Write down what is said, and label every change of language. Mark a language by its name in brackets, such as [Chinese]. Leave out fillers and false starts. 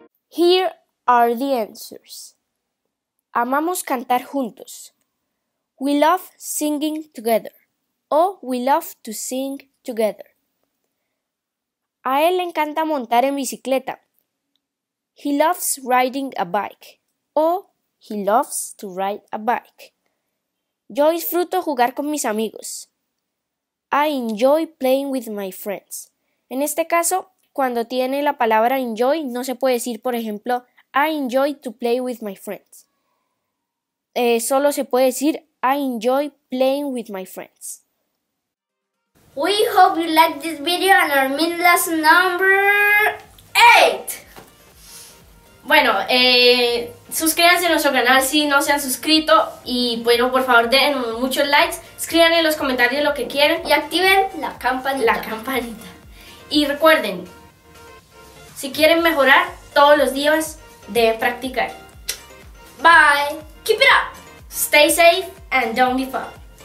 [English] Here are the answers. [Spanish] Amamos cantar juntos. [English] We love singing together. O we love to sing together. [Spanish] A él le encanta montar en bicicleta. [English] He loves riding a bike. O he loves to ride a bike. [Spanish] Yo disfruto jugar con mis amigos. [English] I enjoy playing with my friends. [Spanish] En este caso, cuando tiene la palabra enjoy, no se puede decir, por ejemplo, [English] I enjoy to play with my friends. [Spanish] Solo se puede decir, [English] I enjoy playing with my friends. We hope you like this video and our mini lesson number 8. [Spanish] Bueno, suscríbanse a nuestro canal si no se han suscrito. Y bueno, por favor, den muchos likes. Escriban en los comentarios lo que quieran. Y activen la campanita. La campanita. Y recuerden, si quieren mejorar, todos los días deben practicar. [English] Bye. Keep it up. Stay safe and don't give up.